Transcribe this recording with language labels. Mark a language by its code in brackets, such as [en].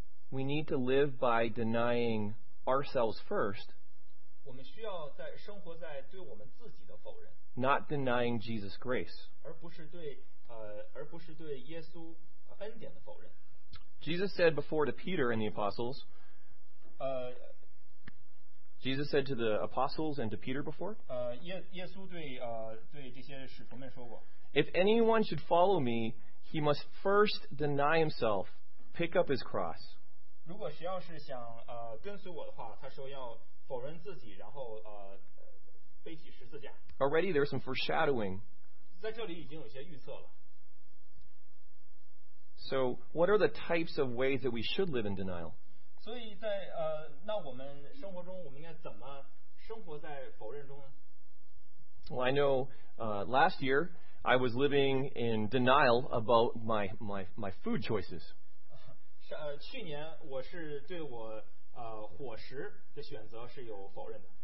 [en] We need to live by denying ourselves first. [zh] 我们需要在生活在对我们自己的否认。 [en] Not denying Jesus' grace. [zh] 而不是对耶稣恩典的否认。 [en] Jesus said before to Peter and the apostles. Jesus said to the apostles and to Peter before. [zh] 耶稣对这些使徒们说过。 [en] If anyone should follow me, he must first deny himself, pick up his cross. [zh] 如果谁要是想跟随我的话，他说要否认自己，然后背起十字架。 [en] Already there's some foreshadowing. [zh] 在这里已经有些预测了。 [en] So, what are the types of ways that we should live in denial? [zh] 所以在那我们生活中，我们应该怎么生活在否认中呢？ [en] Well, I know last year I was living in denial about my food choices. [zh] 去年我是对我伙食的选择是有否认的。